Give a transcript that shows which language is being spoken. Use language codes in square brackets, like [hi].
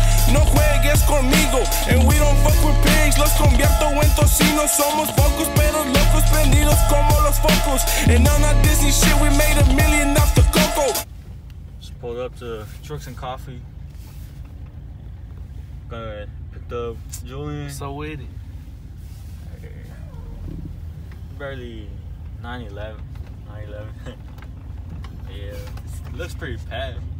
[es] No juegues conmigo, [en] and we don't fuck with pigs. [es] Los convierto en tocino. Somos focos, pero locos prendidos como los focos. [en] And on that Disney shit, we made a million off the coco. Just pulled up to Trucks and Coffee. Gonna pick up Julian. So witty. Barely 9/11. Yeah, looks pretty packed.